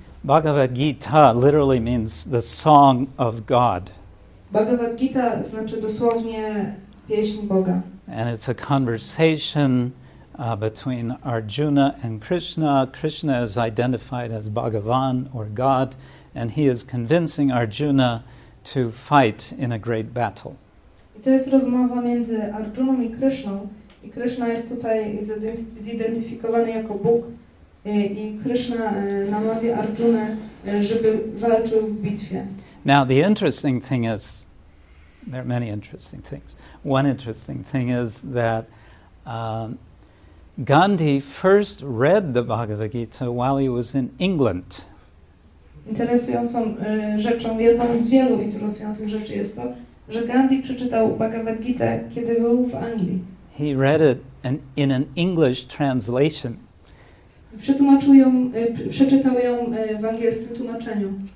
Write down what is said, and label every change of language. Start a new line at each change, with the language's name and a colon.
English: Bhagavad Gita literally means the song of God.
Polish: Bhagavad Gita znaczy dosłownie pieśń Boga.
English: And it's a conversation between Arjuna and Krishna. Krishna is identified as Bhagavan or God, and he is convincing Arjuna to fight in a great battle.
Polish: I to jest rozmowa między Arjuną i Krishną. I Krishna jest tutaj zidentyfikowany jako Bóg. I Krishna namawia Arjunę, żeby walczył w bitwie.
English: Now the interesting thing is, there are many interesting things. One interesting thing is that Gandhi first read the Bhagavad Gita while he was in England.
Polish: Interesującą rzeczą, jedną z wielu interesujących rzeczy jest to, że Gandhi przeczytał Bhagavad Gita, kiedy był w Anglii.
English: He read it in an English translation.
Polish: Przetłumaczył ją, przeczytał ją w angielskim tłumaczeniu.